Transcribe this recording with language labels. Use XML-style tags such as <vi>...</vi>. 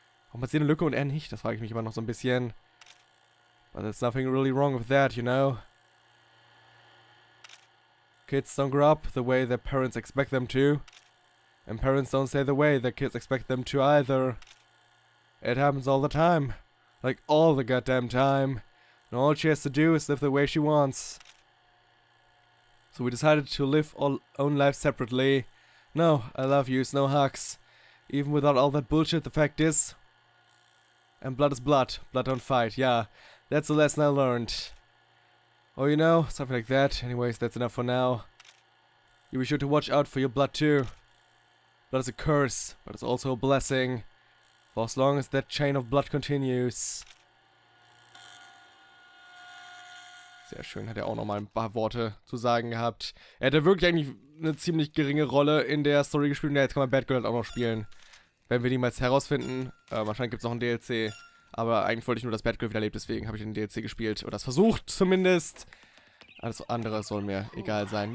<de>Warum hat sie eine Lücke und er nicht? Das frage ich mich immer noch so ein bisschen.</de> <en>But there's nothing really wrong with that, you know? Kids don't grow up the way their parents expect them to. And parents don't stay the way their kids expect them to either. It happens all the time. Like all the goddamn time. And all she has to do is live the way she wants. So we decided to live our own lives separately. No, I love you, no hugs. Even without all that bullshit, the fact is... And blood is blood. Blood don't fight, yeah. That's the lesson I learned. Oh, you know, something like that. Anyways, that's enough for now. You be sure to watch out for your blood too. Blood is a curse, but it's also a blessing. For as long as that chain of blood continues.</en> <de>Sehr schön, hat er auch noch mal ein paar Worte zu sagen gehabt. Er hatte wirklich eigentlich eine ziemlich geringe Rolle in der Story gespielt. Ja, jetzt kann man Bad Girl halt auch noch spielen. Werden wir niemals herausfinden. Wahrscheinlich gibt es noch einen DLC. Aber eigentlich wollte ich nur, dass Bad Girl wieder lebt. Deswegen habe ich den DLC gespielt. Oder es versucht zumindest. Alles andere soll mir egal sein.</de>